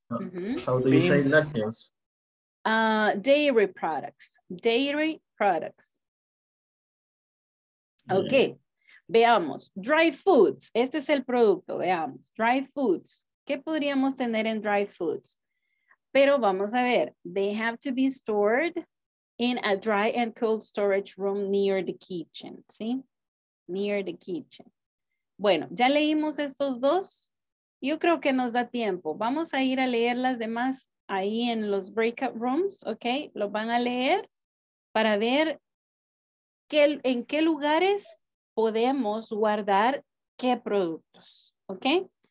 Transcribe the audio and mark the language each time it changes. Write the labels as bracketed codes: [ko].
[en] Mm-hmm. How do you say lactose? Dairy products. Dairy products. [es] Okay, veamos, dry foods, este es el producto, veamos, dry foods, ¿qué podríamos tener en dry foods? Pero vamos a ver, [en] they have to be stored in a dry and cold storage room near the kitchen, [es] ¿sí? [en] Near the kitchen. [es] Bueno, ya leímos estos dos, yo creo que nos da tiempo, vamos a ir a leer las demás ahí en los breakout rooms, ¿ok? Lo van a leer para ver en qué lugares podemos guardar qué productos, ¿ok?